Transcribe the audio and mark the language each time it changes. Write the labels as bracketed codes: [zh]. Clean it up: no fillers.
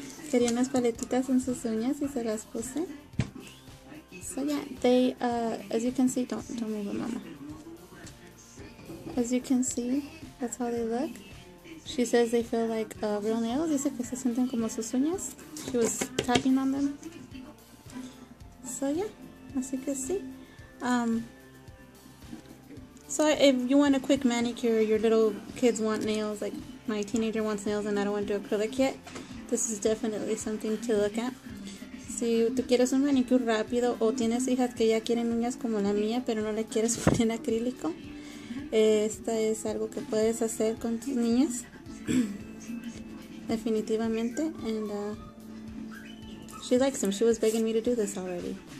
[es] Quería unas paletitas en sus uñas y se las puse. [en] So yeah, they, as you can see, don't move it, mama. As you can see, that's how they look. She says they feel like real nails. [es] Dice que se sienten como sus uñas. [en] She was tapping on them. So yeah, as you can see. So if you want a quick manicure, your little kids want nails, like my teenager wants nails and I don't want to do acrylic yet, this is definitely something to look at. [es] Si tú quieres un manicure rápido o tienes hijas que ya quieren uñas como la mía pero no le quieres poner acrílico, esta es algo que puedes hacer con tus niñas. Definitivamente. [en] And she likes them. She was begging me to do this already.